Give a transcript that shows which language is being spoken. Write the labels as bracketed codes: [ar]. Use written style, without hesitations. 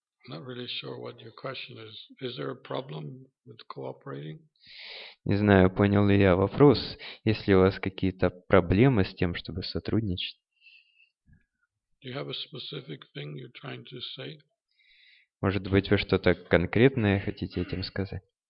[en] Not really sure what your question is. Is there a problem with cooperating? [ru] Не знаю, понял ли я вопрос. Есть ли у вас какие-то проблемы с тем, чтобы сотрудничать? [en] Do you have a specific thing you're trying to say? [ru] Может быть, вы что-то конкретное хотите этим сказать?